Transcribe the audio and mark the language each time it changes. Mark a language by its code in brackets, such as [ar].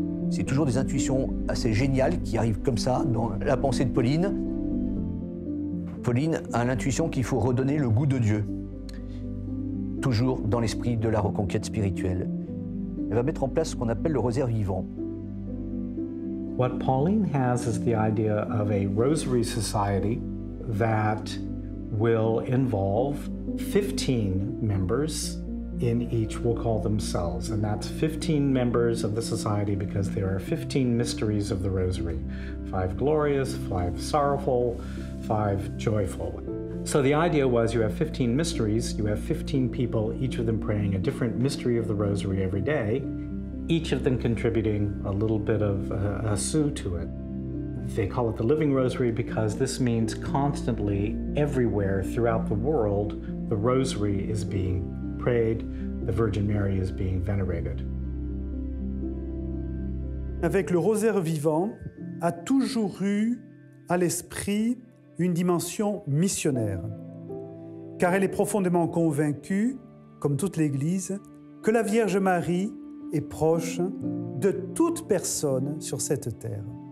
[fr] C'est toujours des intuitions assez géniales qui arrivent comme ça dans la pensée de Pauline. Pauline a l'intuition qu'il faut redonner le goût de Dieu, toujours dans l'esprit de la reconquête spirituelle. Elle va mettre en place ce qu'on appelle le rosaire vivant. [en] What Pauline has is the idea of a rosary society that will involve 15 members in each, we'll call them cells, and that's 15 members of the society because there are 15 mysteries of the rosary, 5 glorious, 5 sorrowful, 5 joyful. So the idea was you have 15 mysteries, you have 15 people, each of them praying a different mystery of the rosary every day, each of them contributing a little bit of a sou to it. They call it the living rosary because this means constantly, everywhere throughout the world, the rosary is being prayed, the Virgin Mary is being venerated. [fr] Avec le rosaire vivant, a toujours eu à l'esprit une dimension missionnaire, car elle est profondément convaincue, comme toute l'Église, que la Vierge Marie est proche de toute personne sur cette terre.